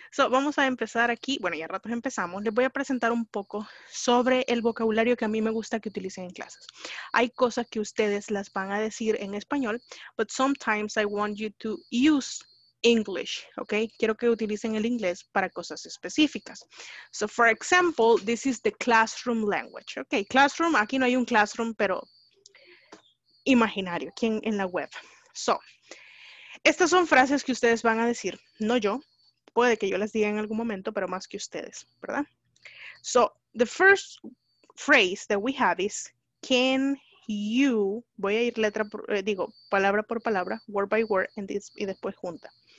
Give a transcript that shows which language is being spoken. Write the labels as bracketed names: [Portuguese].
[Spanish] So, vamos a empezar aquí. Bueno, ya ratos empezamos. Les voy a presentar un poco sobre el vocabulario que a mí me gusta que utilicen en clases. Hay cosas que ustedes las van a decir en español, [English] but sometimes I want you to use English, [Spanish] ¿ok? Quiero que utilicen el inglés para cosas específicas. [English] So, for example, this is the classroom language. [Spanish] Ok, classroom, aquí no hay un classroom, pero imaginario, aquí en la web. So, estas son frases que ustedes van a decir, no yo, puede que yo las diga en algún momento, pero más que ustedes, ¿verdad? [English] So, the first phrase that we have is, can you, [Spanish] voy a ir letra, por, digo, palabra por palabra, [English] word by word, and this, [Spanish] y después junta.